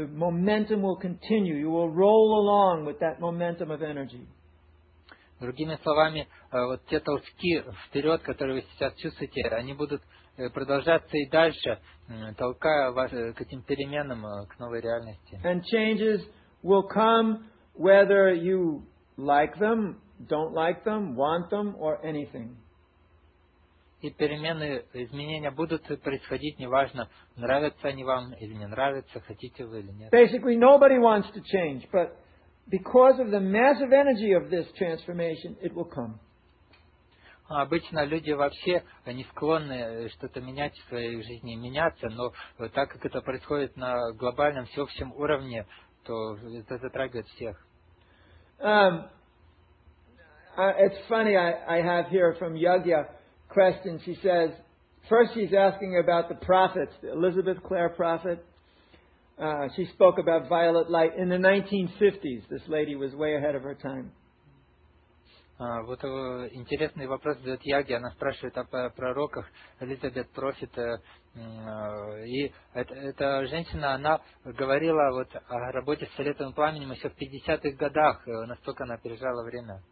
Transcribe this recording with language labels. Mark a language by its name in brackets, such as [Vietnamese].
[English] The momentum will continue. You will roll along with that momentum of energy. [Russian] Другими словами, вот те толчки вперед, которые вы сейчас чувствуете, они будут продолжаться и дальше, толкая вас к этим переменам, к новой реальности. [English] And changes will come whether you like them, don't like them, want them, or anything. [Russian] И перемены, изменения будут происходить, неважно, нравятся они вам или не нравятся, хотите вы или нет. [English] Basically, nobody wants to change, but because of the massive energy of this transformation, it will come. [Russian] Обычно люди вообще не склонны что-то менять в своей жизни, меняться, но так как это происходит на глобальном всеобщем уровне, то это затрагивает всех. [English] It's funny, I have here from Yogya question. She says, first she's asking about the prophets, the Elizabeth Clare prophet. She spoke about violet light in the 1950s. This lady was way ahead of her time. [Russian] Вот интересный вопрос задает Яги, она спрашивает о пророках, Элизабет Профит, и эта женщина, она говорила вот о работе с фиолетовым пламенем еще в 50-х годах, настолько она опережала время.